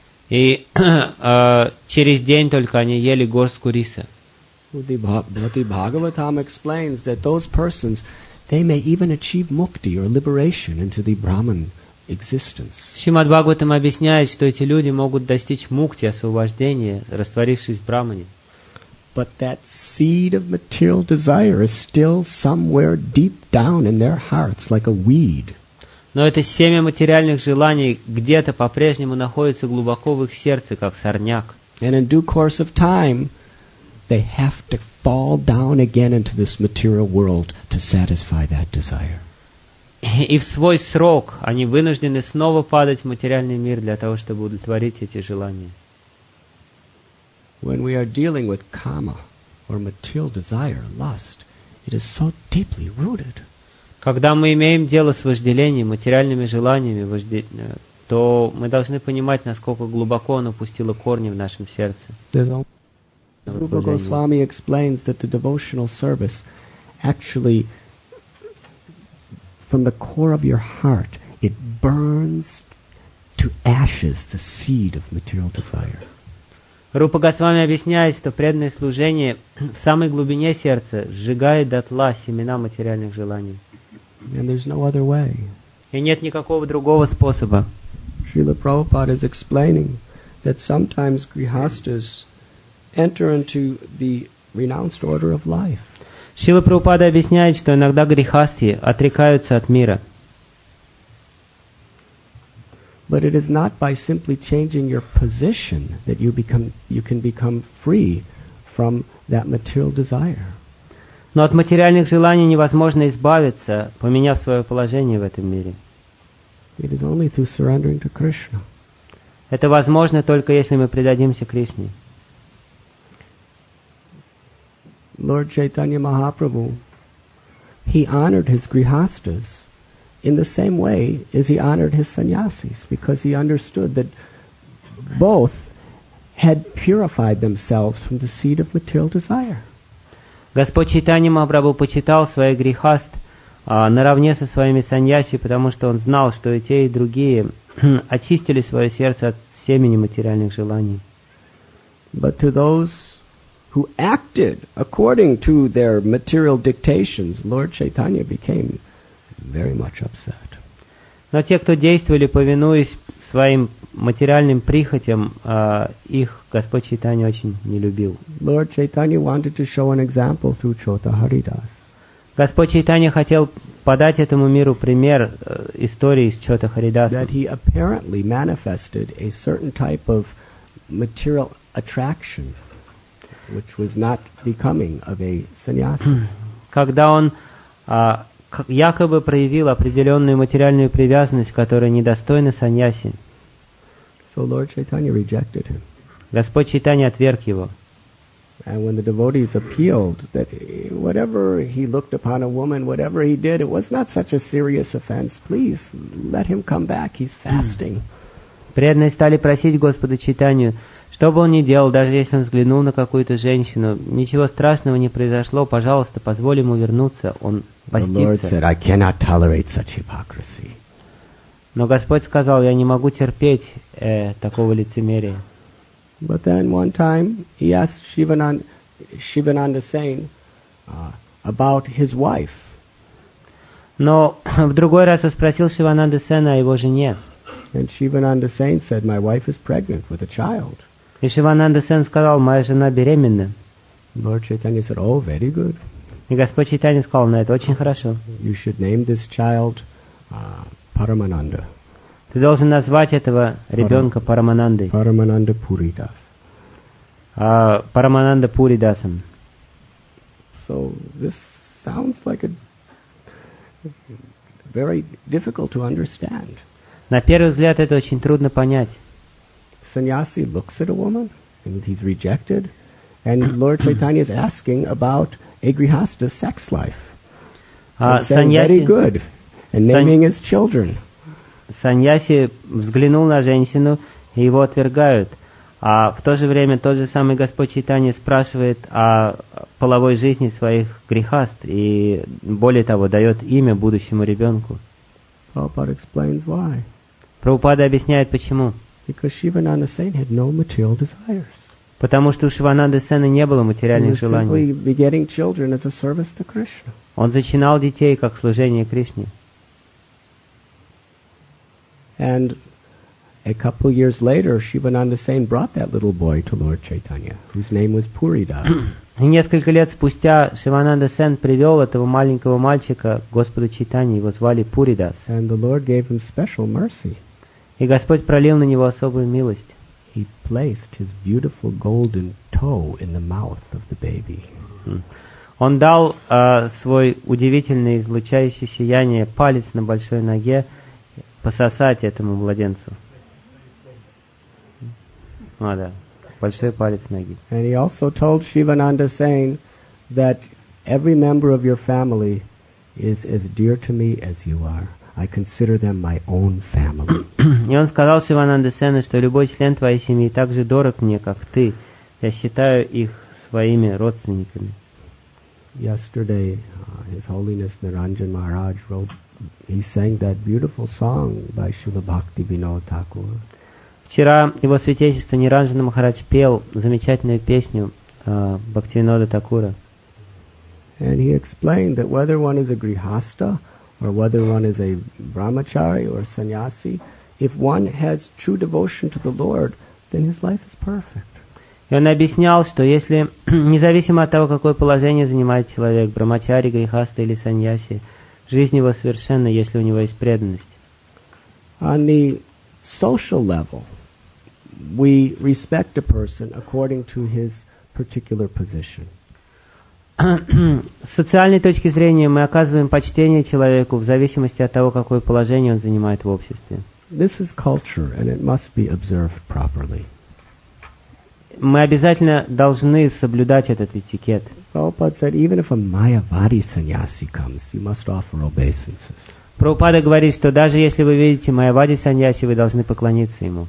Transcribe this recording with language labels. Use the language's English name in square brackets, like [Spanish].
[Russian] И через день только они ели горстку риса. [English] Бхакти Бхагаватам explains that those persons, they may even achieve mukti or liberation into the Brahman. [Russian] Шримад Бхагаватам объясняет, что эти люди могут достичь мукти, освобождения, растворившись в Брахмане. [English] But that seed of material desire is still somewhere deep down in their hearts, like a weed. [Russian] Но это семя материальных желаний где-то по-прежнему находится глубоко в их сердце, как сорняк. [English] And in due course of time, they have to fall down again into this material world to satisfy that desire. [Russian] И в свой срок они вынуждены снова падать в материальный мир для того, чтобы удовлетворить эти желания. [English] When we are dealing with kama or material desire, lust, it is so deeply rooted. [Russian] Когда мы имеем дело с вожделением, материальными желаниями, то мы должны понимать, насколько глубоко оно пустило корни в нашем сердце. [English] Rupa Goswami explains that the devotional service actually from the core of your heart it burns to ashes the seed of material desire. [Russian] Rupa Goswami объясняет, что преданное служение в самой глубине сердца сжигает дотла семена материальных желаний. [English] And there's no other way. [Russian] И нет никакого другого способа. [English] Srila Prabhupada is explaining that sometimes grihasthas enter into the renounced order of life. [Russian] Шрила Прабхупада объясняет, что иногда грихасти отрекаются от мира. [English] But it is not by simply changing your position that you can become free from that material desire. [Russian] Но от материальных желаний невозможно избавиться, поменяв свое положение в этом мире. [English] It is only through surrendering to Krishna. [Russian] Это возможно только если мы предадимся Кришне. [English] Lord Chaitanya Mahaprabhu, he honored his grihasthas in the same way as he honored his sannyasis, because he understood that both had purified themselves from the seed of material desire. [Russian] Господь Чайтанья Махапрабху почитал своих грихаст наравне со своими саньяси, потому что он знал, что и те, и другие очистили свое сердце от семени материальных желаний. [English] But to those who acted according to their material dictations, Lord Chaitanya became very much upset. [Russian] Но те, кто действовали, повинуясь своим материальным прихотям, их Господь Чайтанья очень не любил. [English] Lord Chaitanya wanted to show an example through Chota Haridas. [Russian] Господь Чайтанья хотел подать этому миру пример истории из Чота Харидаса. [English] That he apparently manifested a certain type of material attraction, which was not becoming of a sannyasi. [Russian] Когда он якобы проявил определенную материальную привязанность, которая недостойна сannyasi. [English] So Lord Chaitanya rejected him. [Russian] Господь Чайтанья отверг его. [English] And when the devotees appealed that whatever he looked upon a woman, whatever he did, it was not such a serious offense. Please let him come back. He's fasting. [Russian] Преданные стали просить Господа Чайтанью. Что бы он ни делал, даже если он взглянул на какую-то женщину, ничего страшного не произошло, пожалуйста, позволь ему вернуться, он постится. [English] The Lord said, I cannot tolerate such hypocrisy. [Russian] Но Господь сказал, я не могу терпеть такого лицемерия. [English] But then one time he asked Shivananda Sen about his wife. [Russian] Но в другой раз он спросил Шивананда Сена о его жене. [English] And Shivananda Sen said, my wife is pregnant with a child. [Russian] И Шивананда Сен сказал, моя жена беременна. [English] Lord Chaitanya said, oh, very good. [Russian] И Господь Чайтанья сказал, ну, это очень хорошо. [English] You should name this child Paramananda. [Russian] Ты должен назвать этого ребенка Параманандой. Парамананда Пуридас. Парамананда Пуридасом. [English] So this sounds like a very difficult to understand. [Russian] На первый взгляд это очень трудно понять. [English] Sannyasi looks at a woman and he's rejected, and Lord Chaitanya is asking about a grihastha's sex life. Sannyasi, very good, and naming his children. [Russian] Sannyasi взглянул на женщину и его отвергают, а в то же время тот же самый Господь Чайтанья спрашивает о половой жизни своих грихаст и более того дает имя будущему ребенку. [English] Prabhupada explains why. [Russian] Прабхупада объясняет почему. [English] Because Shivananda Sen had no material desires. [Russian] Потому что у Шивананды Сена не было материальных желаний. [English] He was simply begetting children as a service to Krishna. [Russian] Он зачинал детей как служение Кришне. [English] And a couple years later, Shivananda Sen brought that little boy to Lord Chaitanya, whose name was Purida. [Russian] И несколько лет спустя Шивананда Сен привел этого маленького мальчика к Господу Чайтанье, его звали Пуридас. [English] And the Lord gave him special mercy. [Russian] И Господь пролил на него особую милость. [English] He placed his beautiful golden toe in the mouth of the baby. [Russian] Он дал свой удивительное излучающее сияние палец на большой ноге пососать этому младенцу. А, да. Большой палец ноги. [English] And he also told Shivananda saying that every member of your family is as dear to me as you are. I consider them my own family. [Russian] И он сказал Сивананде Сене, что любой член твоей семьи так же дорог мне, как ты. Я считаю их своими родственниками. [English] Yesterday, His Holiness Niranjan Maharaj wrote, he sang that beautiful song by Śrīla Bhaktivinoda Thakura. [Russian] Вчера его святейшество Ниранджана Махарадж пел замечательную песню Бхактивинода Такура. [English] And he explained that whether one is a grihastha or whether one is a brahmachari or sannyasi, if one has true devotion to the Lord, then his life is perfect. [Russian] И он объяснял, что если, независимо от того, какое положение занимает человек, брахмачари, грихаста или саньяси, жизнь его совершенна, если у него есть преданность. [English] On the social level, we respect a person according to his particular position. [Russian] С социальной точки зрения мы оказываем почтение человеку в зависимости от того, какое положение он занимает в обществе. [English] This is culture, and it must be observed properly. [Russian] Мы обязательно должны соблюдать этот этикет. [English] Prabhupada said, even if a Mayavadi sannyasi comes, you must offer obeisances. [Russian] Прабхупада говорит, что даже если вы видите Майавади саньяси, вы должны поклониться ему.